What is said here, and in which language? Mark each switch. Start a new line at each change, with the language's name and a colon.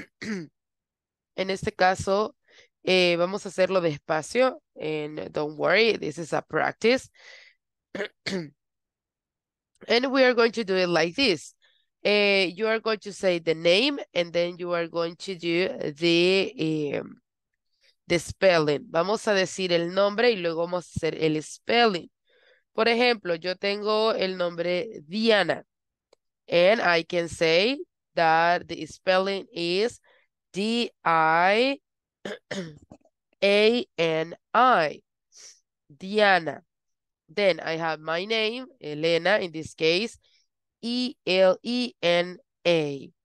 Spanish: En este caso, vamos a hacerlo despacio.
English: And don't worry, this is a practice. And we are going to do it like this. You are going to say the name, and then you are going to do the spelling.
Spanish: Vamos a decir el nombre y luego vamos a hacer el spelling. Por ejemplo, yo tengo el nombre Diana.
English: And I can say that the spelling is D-I-A-N-I, Diana. Then I have my name, Elena, in this case, E-L-E-N-A.